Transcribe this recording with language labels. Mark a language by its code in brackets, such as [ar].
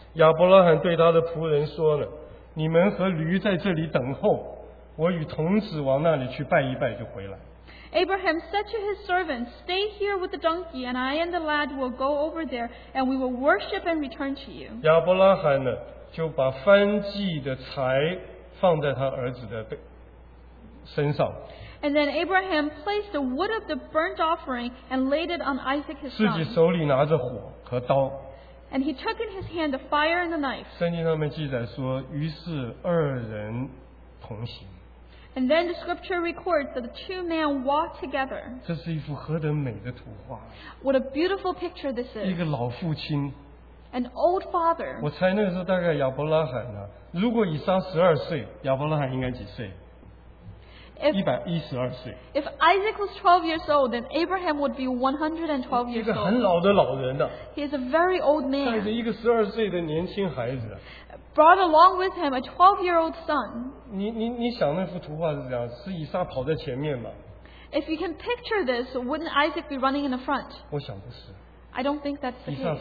[zh] 亚伯拉罕对他的仆人说呢, 你们和驴在这里等候, 我与童子往那里去拜一拜就回来。 [en] Abraham said to his servants, stay here with the donkey, and I and the lad will go over there, and we will worship and return to you. [zh] 亚伯拉罕呢, 就把燔祭的柴, 放在他儿子的身上, [en] and then Abraham placed the wood of the burnt offering and laid it on Isaac his son. [zh] 自己手里拿着火和刀, [en] and he took in his hand the fire and the knife. [zh] 圣经上面记载说, 于是二人同行, [en] and then the scripture records that the two men walked together. [zh] 这是一幅何等美的图画, [en] what a beautiful picture this is. [zh] 一个老父亲, [en] an old father. [zh] 我猜那个时候大概亚伯拉罕呢, 如果以撒12岁, 亚伯拉罕应该几岁? 112岁。 [en] If Isaac was 12 years old, then Abraham would be 112 years old. [zh] 一个很老的老人的, [en] he is a very old man. [zh] 带着一个12岁的年轻孩子, [en] brought along with him a 12-year-old son. [zh] 你想那幅图画是怎样?是以撒跑在前面吗? [en] If you can picture this, wouldn't Isaac be running in the front? I don't think that's the case.